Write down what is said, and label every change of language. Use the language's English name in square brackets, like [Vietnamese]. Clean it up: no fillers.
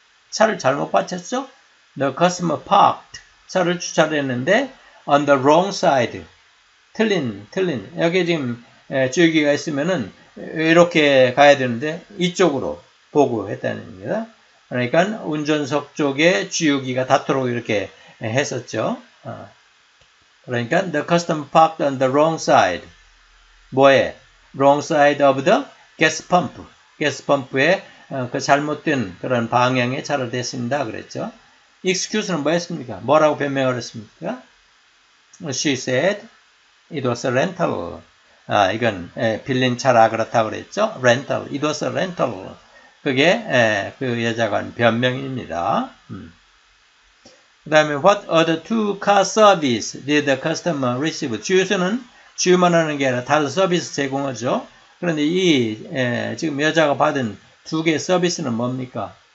[Korean] 차를 잘못 받쳤죠? [English] The customer parked [Korean] 차를 주차를 했는데 [English] on the wrong side. [Korean] 틀린. 여기 지금 주의기가 있으면은 이렇게 가야 되는데 이쪽으로 보고 했다는 겁니다. 그러니까 운전석 쪽에 주의기가 닿도록 이렇게 했었죠. 그러니까 [English] the customer parked on the wrong side. [Korean] 뭐에? [English] Wrong side of the gas pump. [Korean] Gas pump의 그 잘못된 그런 방향의 차를 댔습니다. 그랬죠. Excuse는 뭐였습니까? 뭐라고 변명을 했습니까? [English] She said it was a rental. [Korean] 아, 이건 빌린 차라 그렇다 그랬죠. [English] Rental. It was a rental. [Korean] 그게 그 여자가 한 변명입니다. 그 다음에 [English] What other two car service did the customer receive? [Korean] 주유소는 주유만 하는 게 아니라 다른 서비스 제공하죠. 그런데 이 지금 여자가 받은 두 개의 서비스는 뭡니까?